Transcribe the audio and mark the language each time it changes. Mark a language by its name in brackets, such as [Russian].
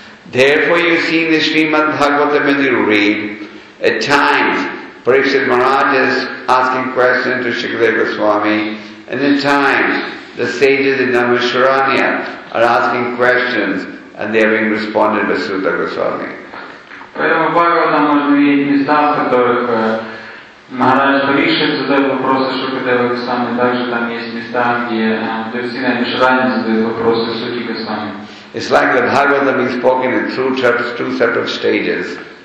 [English] Therefore you see in the Srimad Bhagavatam when you read, at times Parikshit Maharaj is asking questions to Shukadeva Goswami, and at times the sages in Namasharanya are asking questions and they are being responded by Suta Goswami. [Russian] Поэтому Бхагаватам можно видеть места, в которых Махарадж Парикшит задает вопросы Шукадева Госвами. Также там есть места, где Дурсина Мишрани задает вопросы Сути Госвами. [English] It's like the Bhagavatam is spoken in two separate stages.